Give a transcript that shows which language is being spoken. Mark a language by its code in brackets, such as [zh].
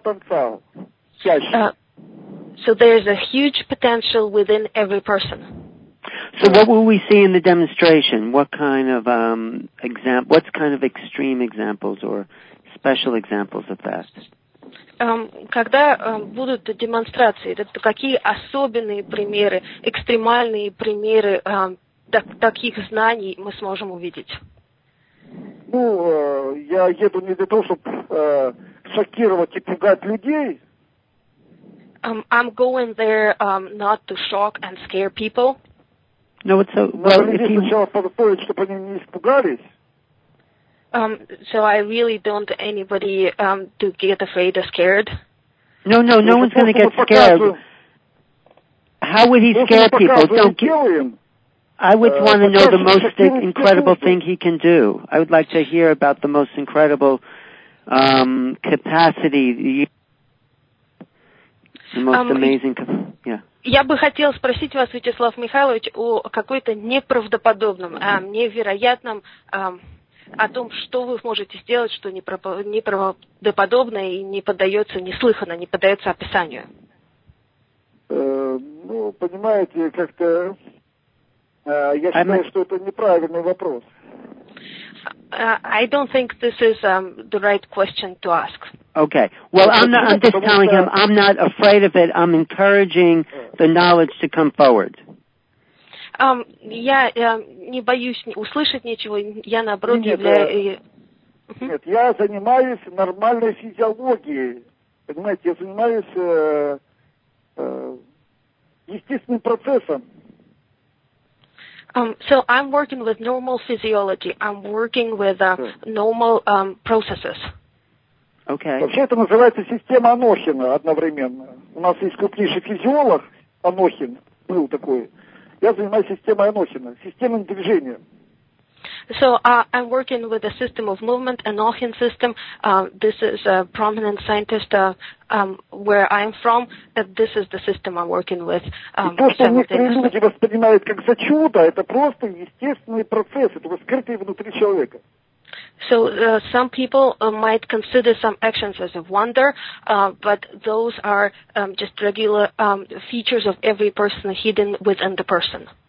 [en] So there is a huge potential within every person. So what will we see in the demonstration? What kind of what kind of extreme examples or special examples of that? [ru] Когда будут демонстрации, какие особенные примеры, экстремальные примеры таких знаний мы сможем увидеть? Ну, я еду не для того, чтобы шокировать и пугать людей. [en] I'm going there not to shock and scare people. No, it's [ru] сначала подготовить, чтобы они не испугались. [en] So I really don't want anybody to get afraid or scared. No one's going to get scared. How would he scare people? Don't kill him. I would want to know the most incredible thing he can do. I would like to hear about the most incredible capacity. The most amazing capacity. Yeah. [ru] Я бы хотел спросить вас, Вячеслав Михайлович, о какой-то неправдоподобном, невероятном, о том, что вы можете сделать, что неправдоподобное и не поддается, неслыханно, не поддается описанию. Ну, понимаете, как-то... Я считаю, что это неправильный вопрос. [en] I don't think this is the right question to ask. Okay. Well, I'm just telling him I'm not afraid of it. I'm encouraging the knowledge to come forward. [ru] Я не боюсь услышать ничего. Я наоборот Нет, я занимаюсь нормальной физиологией. Понимаете, я занимаюсь естественным процессом. [en] So I'm working with normal physiology. I'm working with normal processes. Okay. [ru] Вообще это называется система Анохина одновременно. У нас есть крупнейший физиолог Анохин был такой. Я занимаюсь системой Анохина, системным движением. [en] So I'm working with a system of movement, Anohin system. This is a prominent scientist where I'm from. This is the system I'm working with. [ru] То, что некоторые люди воспринимают как за чудо, это просто естественный процесс, это скрытый внутри человека. [en] So some people might consider some actions as a wonder, but those are just regular features of every person hidden within the person.